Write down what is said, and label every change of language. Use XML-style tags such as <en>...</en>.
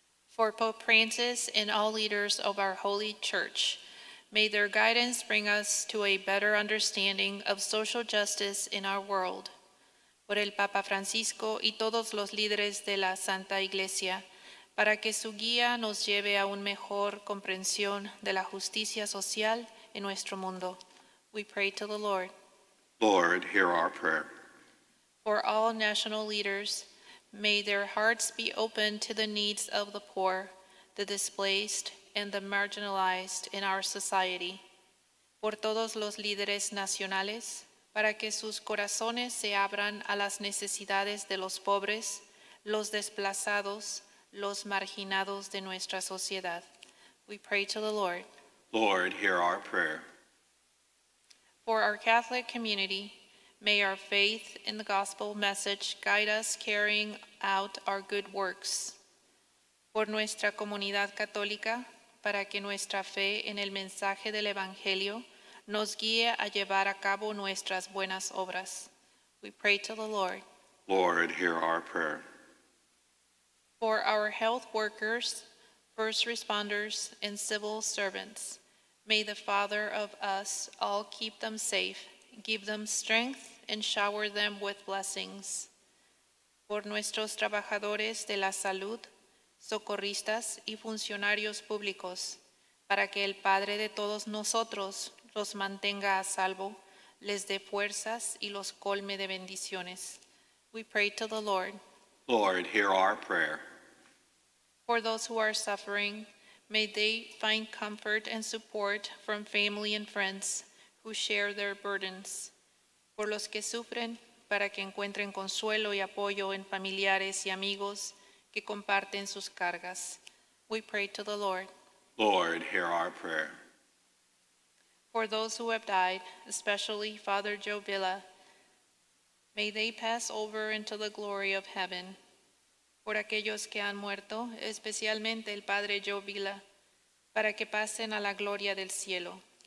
<en>For Pope Francis and all leaders of our Holy Church, may their guidance bring us to a better understanding of social justice in our world.</en> <es>Por el Papa Francisco y todos los líderes de la Santa Iglesia, para que su guía nos lleve a una mejor comprensión de la justicia social en nuestro mundo.</es> <en>We pray to the Lord. Lord, hear our prayer. For all national leaders, may their hearts be open to the needs of the poor, the displaced, and the marginalized in our society.</en> <es>Por todos los líderes nacionales, para que sus corazones se abran a las necesidades de los pobres, los desplazados, los marginados de nuestra sociedad.</es> <en>We pray to the Lord. Lord, hear our prayer. For our Catholic community, may our faith in the gospel message guide us carrying out our good works.</en> <es>Por nuestra comunidad católica, para que nuestra fe en el mensaje del Evangelio nos guíe a llevar a cabo nuestras buenas obras.</es> <en>We pray to the Lord. Lord, hear our prayer. For our health workers, first responders, and civil servants, may the Father of us all keep them safe, give them strength, and shower them with blessings.</en> <es>Por nuestros trabajadores de la salud, socorristas y funcionarios públicos, para que el Padre de todos nosotros los mantenga a salvo, les dé fuerzas y los colme de bendiciones.</es> <en>We pray to the Lord. Lord, hear our prayer. For those who are suffering, may they find comfort and support from family and friends who share their burdens.</en> <es>por los que sufren, para que encuentren consuelo y apoyo en familiares y amigos que comparten sus cargas.</es> <en>We pray to the Lord. Lord, hear our prayer. For those who have died, especially Father Joe Villa, may they pass over into the glory of heaven.</en> <es>Por aquellos que han muerto, especialmente el Padre Joe Villa, para que pasen a la gloria del cielo.</es>